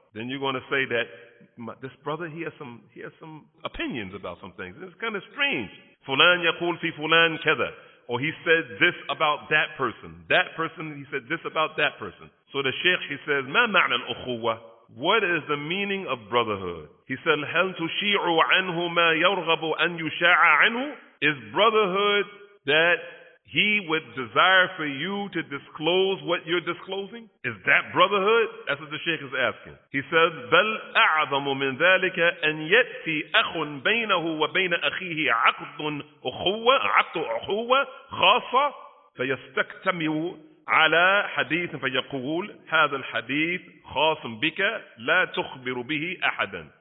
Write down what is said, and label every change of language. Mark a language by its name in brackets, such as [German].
[English] Then you're going to say that this brother, he has some opinions about some things. It's kind of strange. [Arabic] فُلَانْ يَقُولْ فِي فُلَانْ كَذَا. [English] Or he said this about that person. That person, he said this about that person. So the sheikh, he says, [Arabic] مَا مَعْنَى الْأُخُوَّةِ. [English] What is the meaning of brotherhood? He said, [Arabic] هَلْ تُشِيعُ عَنْهُ مَا يَرْغَبُ أَنْ يُشَاعَ عَنْهُ. [English] Is brotherhood that he would desire for you to disclose what you're disclosing? Is that brotherhood? That's what the sheikh is asking. He says, [Arabic] بَلْ أَعْظَمُ مِنْ ذَلِكَ أَنْ يَتْفِي أَخٌ بَيْنَهُ وَبَيْنَ أَخِيهِ عَقْدٌ أُخُوَّةٌ خَاصَةٌ فَيَسْتَكْتَمِعُ عَلَى حَدِيثٍ فَيَقُولُ هَذَا الْحَدِيثُ خَاصٌ بِكَ لَا تُخْبِرُ بِهِ أَحَدًا.